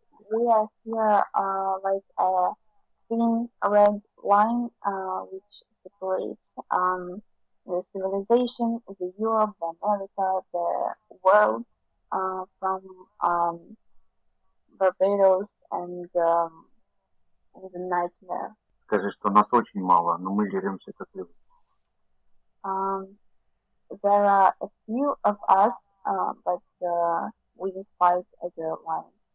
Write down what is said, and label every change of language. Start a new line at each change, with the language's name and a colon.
English: We are here like a thin red line which separates the civilization, the Europe, the America, the world from Barbados and the nightmare.
Russian: Скажи, что нас очень мало, но мы деремся как люди.
English: There are a few of us, but we fight as a lion.